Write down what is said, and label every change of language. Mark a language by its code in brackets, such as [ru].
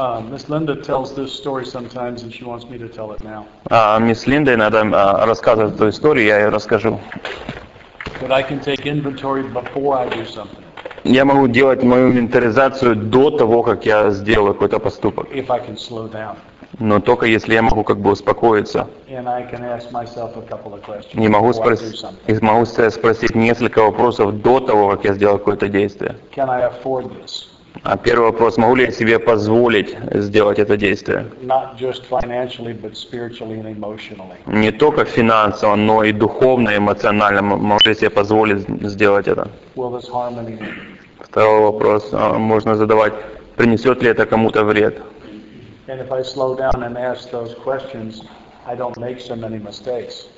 [en] Miss Linda tells this story sometimes, and she wants me to tell it now. [ru] Miss Linda иногда рассказывает эту историю, я ее расскажу. [en] That I can take inventory before I do something. [ru] Я могу делать мою инвентаризацию до того, как я сделаю какой-то поступок. [en] If I can slow down. [ru] Но только если я могу как бы успокоиться. [en] And I can ask myself a couple of questions before I do something. [ru] И могу себя спросить несколько вопросов до того, как я сделаю какое-то действие. [en] Can I afford this? [ru] А первый вопрос, могу ли я себе позволить сделать это действие? [en] Not just financially, but spiritually and emotionally. [ru] Не только финансово, но и духовно, эмоционально. Могу ли я себе позволить сделать это? [en] Will this harm anyone? [ru] Второй вопрос, можно задавать, принесет ли это кому-то вред? [en] And if I slow down and ask those questions, I don't make so many mistakes.